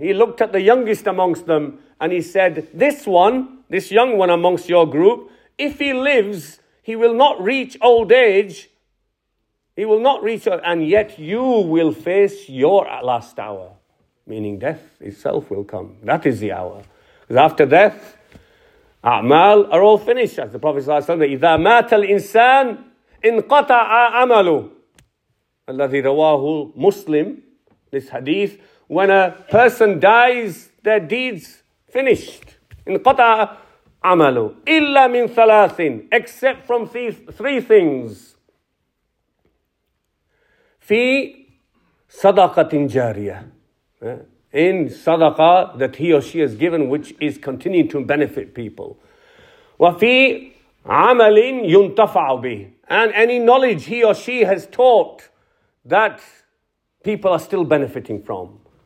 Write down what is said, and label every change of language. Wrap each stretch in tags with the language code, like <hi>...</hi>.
<en>He looked at the youngest amongst them and he said, this one, this young one amongst your group, if he lives, he will not reach old age. He will not reach, and yet you will face your last hour. Meaning death itself will come. That is the hour. Because after death, a'mal are all finished. As the Prophet ﷺ said,</en> <ar>إِذَا مَاتَ الْإِنسَانِ انْقَطَعَ عَمَلُهُ الَّذِي رَوَاهُ مُسْلِمُ.</ar> <en>This hadith, when a person dies, their deeds finished.</en> <ar>انْقَطَعَ عَمَلُهُ إِلَّا مِنْ ثَلَاثٍ,</ar> <en>except from three things.</en> <ar>فِي صَدَقَةٍ جَارِيَةٍ,</ar> <en>in sadaqah that he or she has given, which is continuing to benefit people.</en> <ar>وَفِي عَمَلٍ يُنْتَفَعُ بِهِ,</ar> <en>and any knowledge he or she has taught that people are still benefiting from.</en>